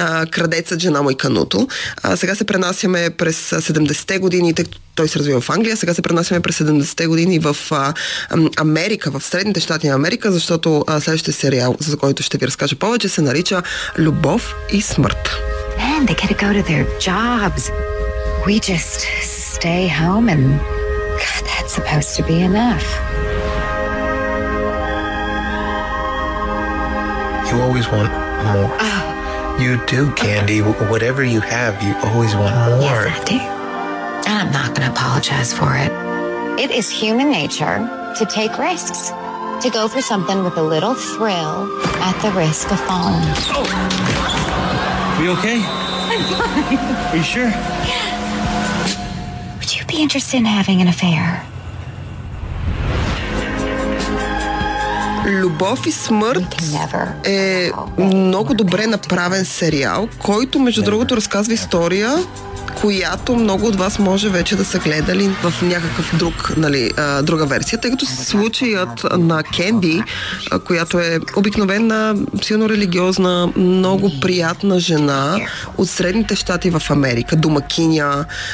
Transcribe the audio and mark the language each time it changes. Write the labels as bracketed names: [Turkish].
[Bulgarian] Крадецът, жена му и Кануто. Сега се пренасяме през 70-те години, той се развива в Англия. Сега се пренасяме през 70-те години в Америка, в Средните щати на Америка, защото следващия сериал, за който ще ви разкажа повече, се нарича Любов и смърт. [English] Man, they get to go to their jobs. We just stay home and God, that's supposed to be enough. You always want more. Oh. You do, Candy. Okay. Whatever you have, you always want more. Yes, I do. And I'm not going to apologize for it. It is human nature to take risks, to go for something with a little thrill at the risk of falling. Oh. You okay? I'm fine. Are you sure? Would you be interested in having an affair? [Bulgarian] Любов и смърт е много добре направен сериал, който, между другото, разказва история, която много от вас може вече да са гледали в някакъв друг, нали, друга версия, тъй като случаят на Кенди, която е обикновена, силно религиозна, много приятна жена от Средните щати в Америка, домакиня,